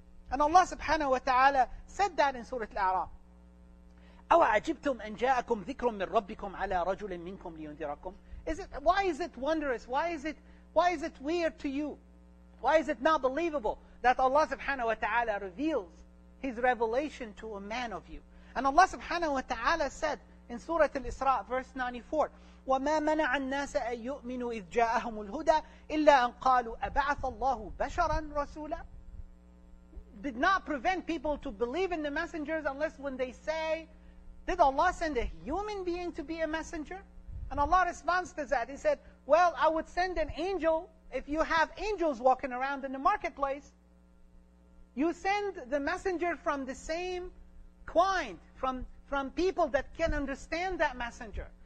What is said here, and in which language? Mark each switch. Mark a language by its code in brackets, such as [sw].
[en] And Allah subhanahu wa ta'ala said that in Surah Al-A'raf. [ar] أَوَعَجِبْتُمْ أَنْ جَاءَكُمْ ذِكْرٌ مِّنْ رَبِّكُمْ عَلَىٰ رَجُلٍ مِّنْكُمْ لِيُنذِرَكُمْ. [en] Why is it wondrous? Why is it weird to you? Why is it not believable that Allah subhanahu wa ta'ala reveals his revelation to a man of you? And Allah subhanahu wa ta'ala said in Surah Al-Isra, verse 94, [ar] وَمَا مَنَعَ النَّاسَ أَن يُؤْمِنُوا إِذْ جَاءَهُمُ الْهُدَى إِلَّا أَن قَالُوا أَبَعَثَ اللَّهُ بَشَرًا رَسُولًا. [en] Did not prevent people to believe in the messengers unless when they say, did Allah send a human being to be a messenger? And Allah responds to that. He said, well, I would send an angel. If you have angels walking around in the marketplace, you send the messenger from the same kind, from people that can understand that messenger.